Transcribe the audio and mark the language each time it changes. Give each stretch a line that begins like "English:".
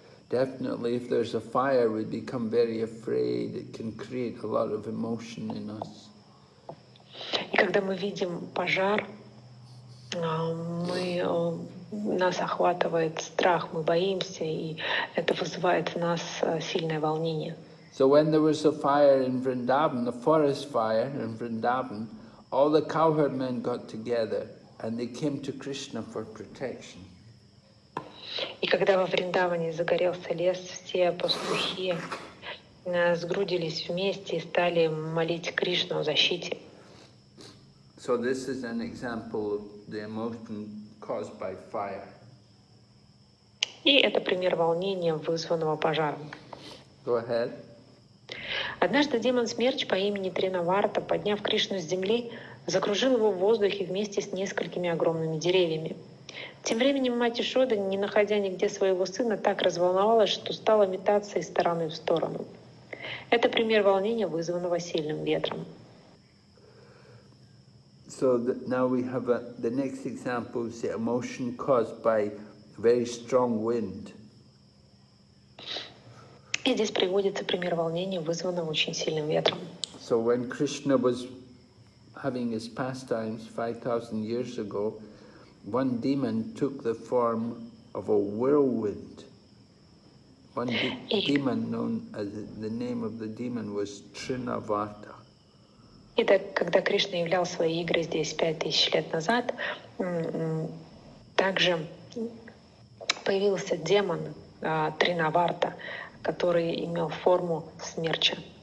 English: Definitely, if there's a fire, we become very afraid. It can create a lot of emotion in us.
Russian: И когда мы видим пожар, нас охватывает страх, мы боимся, и это вызывает в нас сильное волнение.
English: So when there was a fire in Vrindavan, the forest fire in Vrindavan, all the cowherd men got together and they came to Krishna for protection.
Russian: И когда во Вриндаване загорелся лес, все пастухи сгрудились вместе и стали молить Кришну о защите.
English: So this is an example of the emotion caused by fire.
Russian: И это пример волнения, вызванного пожаром.
English: Go ahead.
Russian: Однажды демон смерч по имени Тринаварта, подняв Кришну с земли, закружил его в воздухе вместе с несколькими огромными деревьями. Тем временем мать Ишода, не находя нигде своего сына, так разволновалась, что стала метаться из стороны в сторону. Это пример волнения, вызванного сильным ветром.
English: So now we have the next example is the emotion caused by very strong wind.
Russian: И здесь приводится пример волнения, вызванного очень сильным ветром.
English: So when Krishna was having his pastimes 5,000 years ago, one demon took the form of a whirlwind. Demon known as the name of the demon was Trinavarta.
Russian: Итак, когда Кришна являл свои игры здесь 5000 лет назад, также появился демон Тринаварта, который имел форму смерча.